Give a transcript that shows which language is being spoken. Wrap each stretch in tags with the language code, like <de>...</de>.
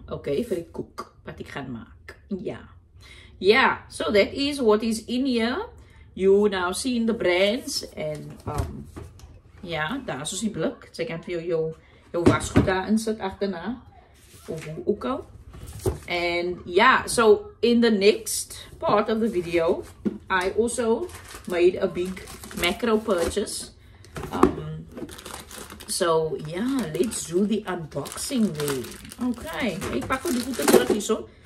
<af>Okay, vir die koek, wat ek gaan maak.</af> <en>Yeah. Yeah, so that is what is in here. You now see in the brands and...</en> <af>Ja, daar is ons die blik. Sy kan vir jou jou wasgoed daar in sit agterna. Of hoe ook al.</af> <en>And yeah, so in the next part of the video, I also made a big macro purchase. So yeah, let's do the unboxing there.</en> <af>Okay, ek pak ook die goede terug hier so.</af>